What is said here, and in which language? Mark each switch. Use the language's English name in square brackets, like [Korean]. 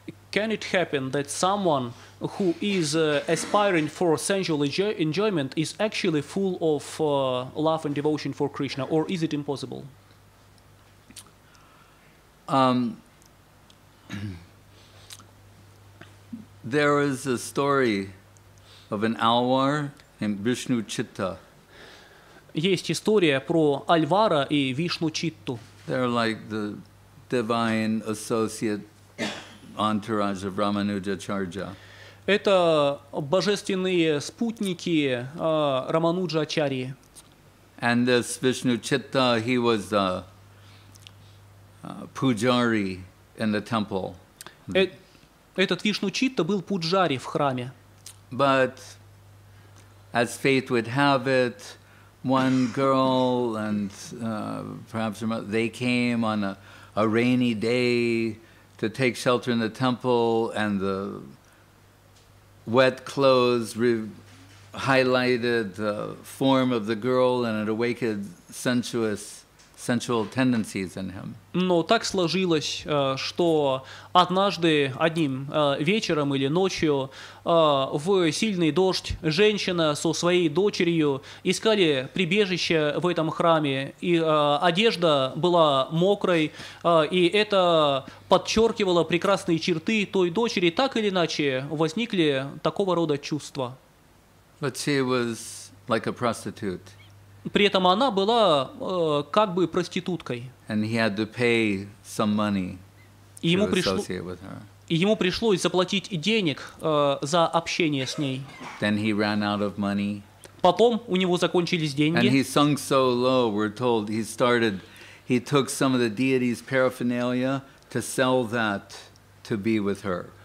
[English] Can it happen that someone who is aspiring for sensual enjoyment is actually full of love and devotion for Krishna, or is it impossible? There is a story of an Alwar named Vishnu Chitta. [Russian] Есть история про Альвара и Вишну Читту. [English] They're like the divine associate entourage of Рамануджачарджа. [Russian] Это божественные спутники Рамануджачарьи. [English] And this Vishnu Chitta, he was the pujari in the temple. [Russian] Этот Вишну Читта был пуджари в храме. [English] But as fate would have it, one girl and perhaps her mother, they came on a rainy day to take shelter in the temple, and the wet clothes highlighted the form of the girl, and it awakened sensual tendencies in him. [Russian] Но так сложилось, что однажды одним вечером или ночью в сильный дождь женщина со своей дочерью искали прибежище в этом храме, и одежда была мокрой, и это подчеркивало прекрасные черты той дочери. Так или иначе возникли такого рода чувства. [English] But she was like a prostitute. [Russian] При этом она была как бы проституткой. [English] And he had to pay some money to associate with her. [Russian] И ему пришлось заплатить денег за общение с ней. [English] Then he ran out of money. [Russian] Потом у него закончились деньги. [English] And he sunk so low, we're told, he took some of the deity's paraphernalia to sell that to be with her.